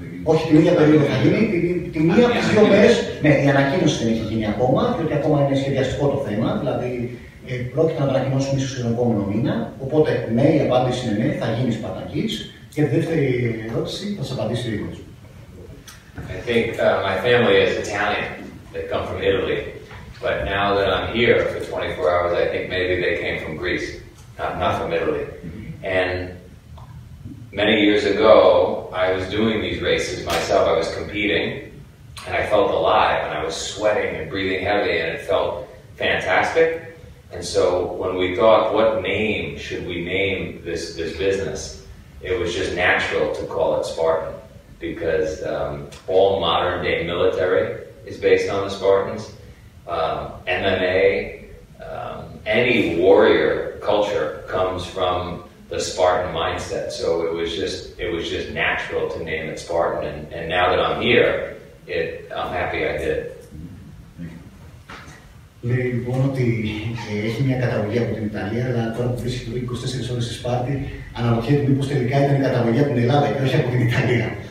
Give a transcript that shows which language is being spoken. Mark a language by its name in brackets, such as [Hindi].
[Greek] Όχι, την ίδια περίοδο θα γίνει. Τη μία από τις δύο μέρες, ναι, η ανακοίνωση δεν έχει γίνει ακόμα, διότι ακόμα είναι σχεδιαστικό το θέμα. Δηλαδή, πρόκειται να ανακοινώσουμε ίσως τον επόμενο μήνα. Οπότε, ναι, η απάντηση είναι ναι, θα γίνει Σπαρταγκής. Και δεύτερη ερώτηση, θα σας απαντήσει λίγο. [English] I think my family is Italian. They come from Italy. But now that I'm here for 24 hours, I think maybe they came from Greece, not from Italy. And many years ago, I was doing these races myself. I was competing, and I felt alive, and I was sweating and breathing heavy, and it felt fantastic. And so when we thought, what name should we name this business, it was just natural to call it Spartan. Because all modern day military is based on the Spartans. MMA, any warrior culture comes from the Spartan mindset. So it was just natural to name it Spartan. And now that I'm here, I'm happy I did. [Greek] Λοιπόν, ότι έχει μια καταγωγή από την Ιταλία, αλλά τώρα που βρίσκει 24 ώρες στη Σπάρτη, αναρωτιέται μήπως τελικά ήταν η καταγωγή από την Ελλάδα και όχι από την Ιταλία.